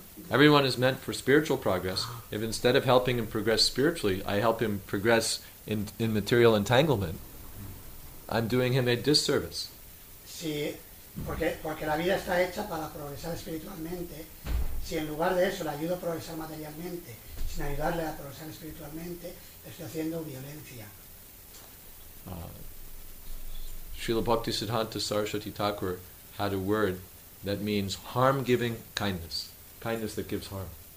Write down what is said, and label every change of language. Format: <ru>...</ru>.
<en>Everyone is meant for spiritual progress. If instead of helping him progress spiritually, I help him progress in material entanglement, I'm doing him a disservice.</en> <es>Sí, porque la vida está hecha para progresar espiritualmente. Si en lugar de eso le ayudo a progresar materialmente, sin ayudarle a progresar espiritualmente, estoy haciendo violencia.</es> <en>Srila Bhaktisiddhanta Saraswati Thakur had a word that means harm-giving kindness. Kindness that gives harm.</en>